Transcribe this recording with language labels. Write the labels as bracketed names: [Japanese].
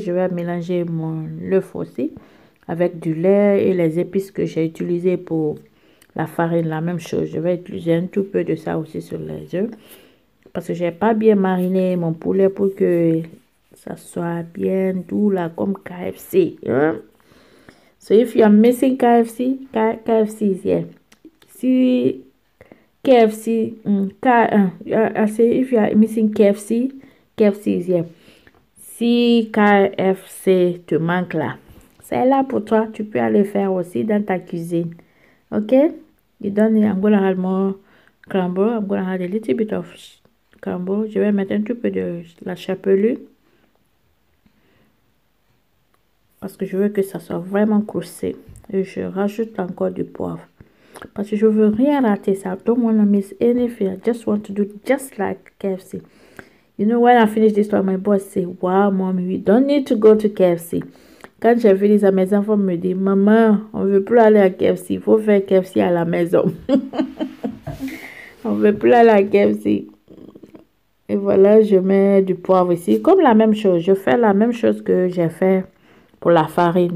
[French] Je vais mélanger mon œuf aussi avec du lait et les épices que j'ai utilisées pour la farine. La même chose. Je vais utiliser un tout peu de ça aussi sur les œufs parce que j'ai pas bien mariné mon poulet pour que ça soit bien doux là comme KFC. Hein? [English] So if you are missing KFC, KFC yeah. Si KFC, if you are missing KFC. KFC, yeah. [French] Si KFC te manque là, c'est là pour toi. Tu peux aller faire aussi dans ta cuisine. Ok? [English] You don't need, I'm gonna add more crumble. I'm gonna add a little bit of crumble. [French] Je vais mettre un tout peu de la chapelure. Parce que je veux que ça soit vraiment croussé. Et je rajoute encore du poivre. Parce que je veux rien rater. [English] Ça. I don't want to miss anything. I just want to do just like KFC. You know, when I finish this one, my boss say, wow, mommy, we don't need to go to KFC. [French] Quand j'ai fini ça, mes enfants me disent, maman, on ne veut plus aller à KFC. Il faut faire KFC à la maison. On ne veut plus aller à KFC. Et voilà, je mets du poivre ici. Comme la même chose, je fais la même chose que j'ai fait pour la farine.